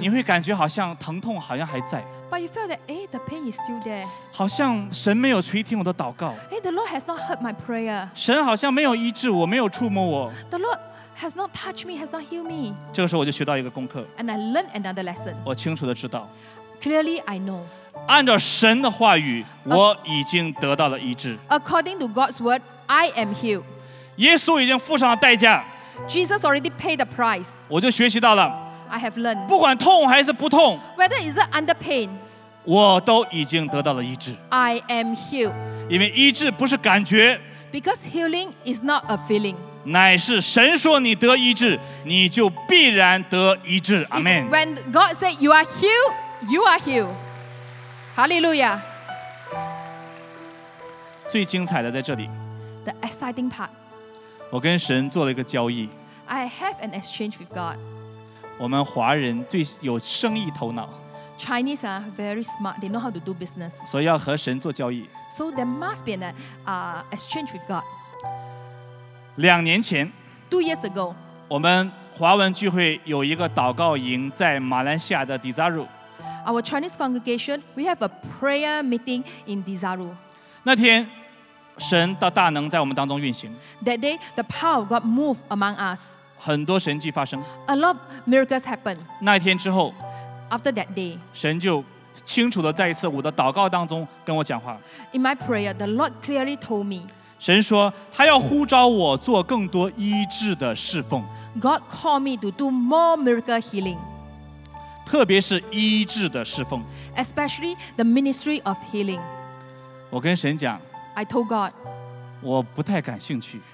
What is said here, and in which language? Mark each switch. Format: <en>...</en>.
<zh>你会感觉好像疼痛好像还在</zh> <en>But you felt that, hey, the pain is still there.</en> <zh>好像神没有垂听我的祷告</zh> <en>Hey, the Lord has not heard my prayer.</en> <zh>神好像没有医治我没有触摸我</zh> <en>The Lord has not touched me, has not healed me.</en> <zh>这个时候我就学到一个功课。</zh> <en>And I learned another lesson.</en> <zh>我清楚地知道。</zh> <en>Clearly, I know.</en> <zh>按照神的话语，我已经得到了医治。</zh> <en>According to God's word, I am healed.</en> <zh>耶稣已经付上了代价。</zh> <en>Jesus already paid the price.</en> <zh>我就学习到了。</zh> <en>I have learned.</en> <zh>不管痛还是不痛。</zh> <en>Whether is it under pain.</en> <zh>我都已经得到了医治。</zh> <en>I am healed.</en> <zh>因为医治不是感觉。</zh> <en>Because healing is not a feeling.</en> <zh>乃是神说你得医治，你就必然得医治。阿门。</zh> <en>When God said you are healed, you are healed. Hallelujah.</en> <zh>最精彩的在这里。</zh> <en>The exciting part.</en> <zh>我跟神做了一个交易。</zh> <en>I have an exchange with God.</en> <zh>我们华人最有生意头脑。</zh> <en>Chinese are very smart. They know how to do business.</en> <zh>所以要和神做交易。</zh> <en>So there must be an exchange with God.</en> <zh>两年前</zh> <en>Two years ago</en> <zh>我们华文聚会有一个祷告营在马来西亚的 Desaru</zh> <en>Our Chinese congregation We have a prayer meeting in Desaru</en> <zh>那天神的大能在我们当中运行。</zh> <en>That day, the power of God moved among us.</en> <zh>很多神迹发生。</zh> <en>A lot of miracles happened.</en> <zh>那一天之后</zh> <en>，After that day,</en> <zh>神就清楚的再一次我的祷告当中跟我讲话。</zh> <en>In my prayer, the Lord clearly told me.</en> <zh>神说他要呼召我做更多医治的侍奉。</zh> <en>God called me to do more miracle healing.</en> <zh>特别是医治的侍奉。</zh> <en>Especially the ministry of healing.</en> <zh>我跟神讲。</zh> <en>I told God,</en> <zh>我不太感兴趣。</zh>